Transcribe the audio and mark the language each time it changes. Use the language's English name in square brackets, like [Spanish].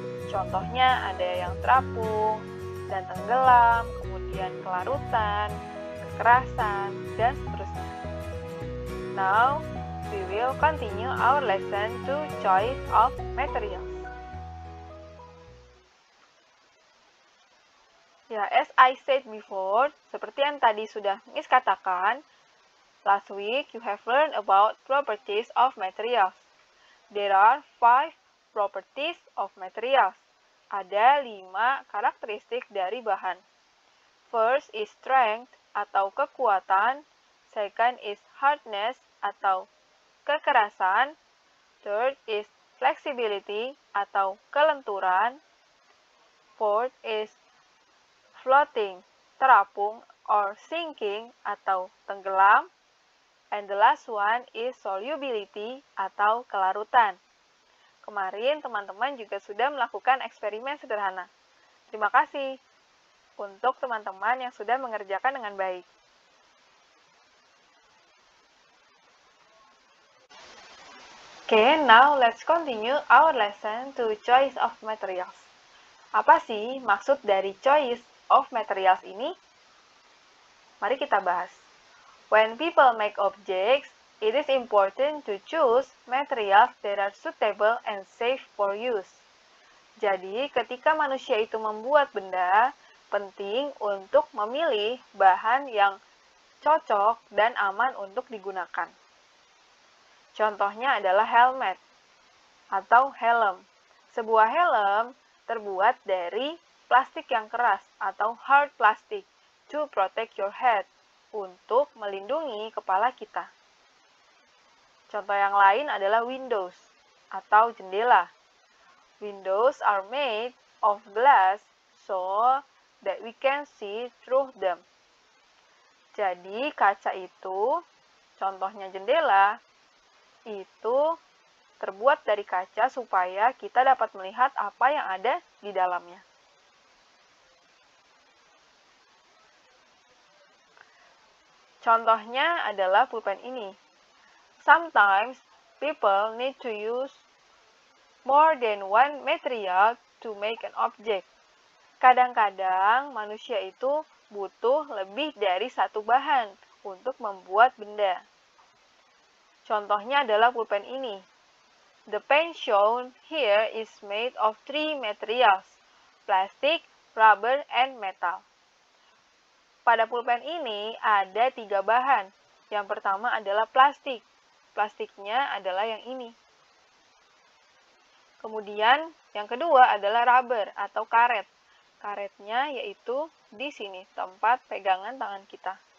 [Indonesian] Contohnya ada yang terapung dan tenggelam, kemudian kelarutan, kekerasan, dan seterusnya. [English] Now, we will continue our lesson to choice of materials. Ya, as I said before, [Indonesian] seperti yang tadi sudah Miss katakan, [English] last week you have learned about properties of materials. There are 5 properties of materials. [Indonesian] Ada 5 karakteristik dari bahan. [English] First is strength [Indonesian] atau kekuatan. [English] Second is hardness [Indonesian] atau kekerasan. [English] Third is flexibility [Indonesian] atau kelenturan. [English] Fourth is floating, [Indonesian] terapung [English] or sinking [Indonesian] atau tenggelam. [English] And the last one is solubility [Indonesian] atau kelarutan. Kemarin teman-teman juga sudah melakukan eksperimen sederhana. Terima kasih untuk teman-teman yang sudah mengerjakan dengan baik. [English] Okay, now let's continue our lesson to choice of materials. [Indonesian] Apa sih maksud dari [English] choice of materials [Indonesian] ini? Mari kita bahas. [English] When people make objects, it is important to choose materials that are suitable and safe for use. [Indonesian] Jadi, ketika manusia itu membuat benda, penting untuk memilih bahan yang cocok dan aman untuk digunakan. Contohnya adalah helmet atau helm. Sebuah helm terbuat dari plastik yang keras atau [English] hard plastic to protect your head, [Indonesian] untuk melindungi kepala kita. Contoh yang lain adalah windows atau jendela. [English] Windows are made of glass so that we can see through them. [Indonesian] Jadi kaca itu, contohnya jendela, itu terbuat dari kaca supaya kita dapat melihat apa yang ada di dalamnya. Contohnya adalah pulpen ini. [English] Sometimes people need to use more than one material to make an object. [Indonesian] Kadang-kadang manusia itu butuh lebih dari satu bahan untuk membuat benda. Contohnya adalah pulpen ini. [English] The pen shown here is made of 3 materials: plastic, rubber, and metal. [Indonesian] Pada pulpen ini ada 3 bahan. Yang pertama adalah plastik. Plastiknya adalah yang ini. Kemudian yang kedua adalah rubber atau karet. Karetnya yaitu di sini, tempat pegangan tangan kita.